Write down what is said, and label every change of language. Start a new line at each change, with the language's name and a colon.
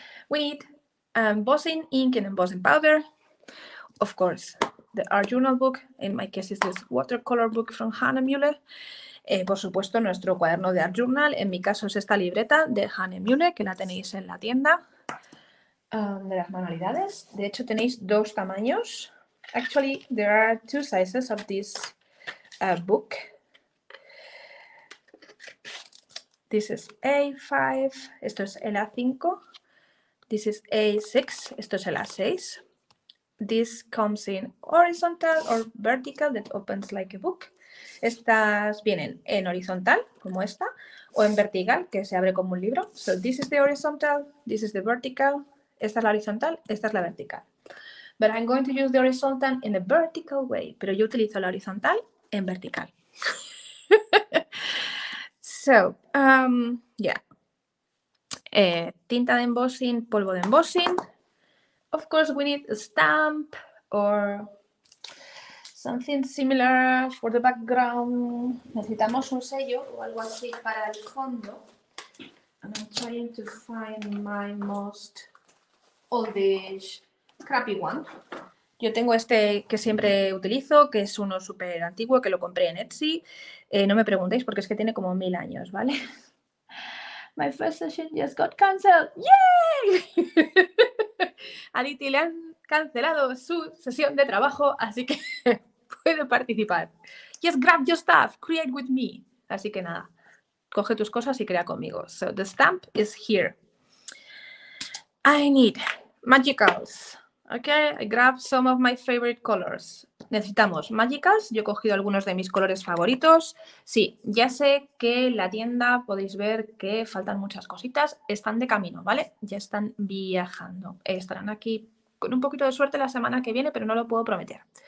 English: We need embossing ink and embossing powder, of course. The art journal book, in my case is this watercolor book from Hannah Müller.
Spanish: Por supuesto, nuestro cuaderno de art journal, en mi caso es esta libreta de Hannah Müller, que la tenéis en la tienda de las manualidades. De hecho, tenéis dos tamaños.
English: Actually, there are two sizes of this book. This is A5,
Spanish: esto es el A5.
English: This is A6,
Spanish: esto es el A6.
English: This comes in horizontal or vertical, that opens like a book.
Spanish: Estas vienen en horizontal, como esta, o en vertical, que se abre como un libro.
English: So this is the horizontal, this is the vertical,
Spanish: esta es la horizontal, esta es la vertical.
English: But I'm going to use the horizontal in a vertical way,
Spanish: pero yo utilizo la horizontal en vertical. So, tinta de embossing, polvo de embossing.
English: Of course, we need a stamp or something similar for the background.
Spanish: Necesitamos un sello o algo así para el fondo.
English: And I'm trying to find my most oldish, crappy one.
Spanish: Yo tengo este que siempre utilizo, que es uno súper antiguo, que lo compré en Etsy. No me preguntéis porque es que tiene como 1000 años, ¿vale?
English: My first session just got cancelled.
Spanish: ¡Yay! Aditi, le han cancelado su sesión de trabajo, así que puede participar.
English: Just grab your stuff, create with me.
Spanish: Así que nada, coge tus cosas y crea conmigo.
English: So the stamp is here. I need magicals. Okay, I grab some of my favorite colors.
Spanish: Necesitamos mágicas. Yo he cogido algunos de mis colores favoritos. Sí, ya sé que en la tienda podéis ver que faltan muchas cositas. Están de camino, ¿vale? Ya están viajando. Estarán aquí con un poquito de suerte la semana que viene, pero no lo puedo prometer.